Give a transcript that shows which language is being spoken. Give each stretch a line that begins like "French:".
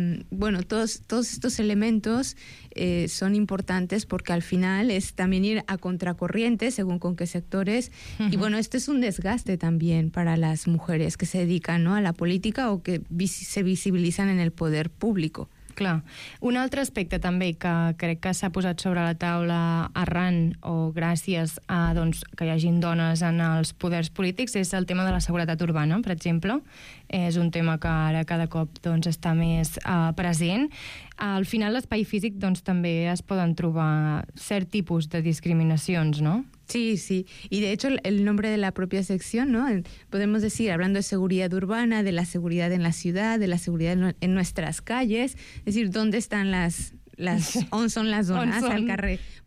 Spanish: Bueno, todos estos elementos son importantes porque al final es también ir a contracorriente según con qué sectores. Y bueno, esto es un desgaste también para las mujeres que se dedican, ¿no?, a la política o que se visibilizan en el poder público.
Catalan: Clar. Un altre aspecte també que crec que s'ha posat sobre la taula arran o gràcies a, doncs, que hi hagin dones en els poders polítics és el tema de la seguretat urbana, per exemple. És un tema que ara cada cop, doncs, està més present. Al final, l'espai físic, doncs, també es poden trobar cert tipus de discriminacions, no? Sí, sí.
Spanish: Y de hecho, el nombre de la propia sección, ¿no? Podemos decir, hablando de seguridad urbana, de la seguridad en la ciudad, de la seguridad en nuestras calles, es decir, ¿dónde están las ¿dónde son las donas al carrer?